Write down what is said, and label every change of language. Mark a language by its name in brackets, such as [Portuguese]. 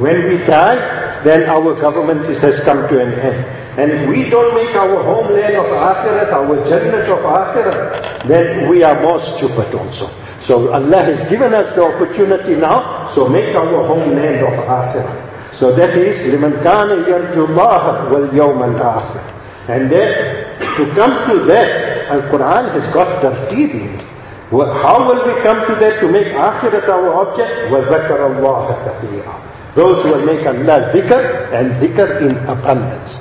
[English] When we die, then our government has come to an end. And if we don't make our homeland of Akhirah, our Jannat of Akhirah, then we are more stupid also. So Allah has given us the opportunity now, so make our homeland of Akhirah. So that is, [Arabic] لِمَنْ كَانَ يَرْجُ اللَّهَ وَالْيَوْمَ الْآخِرَ. [English] And then, to come to that, Al-Quran has got tarteed in it. How will we come to that to make Akhirah our object? [Arabic] وَذَكَرَ اللَّهَ كَثِيرًا. [English] Those who will make Allah dhikr and dhikr in abundance.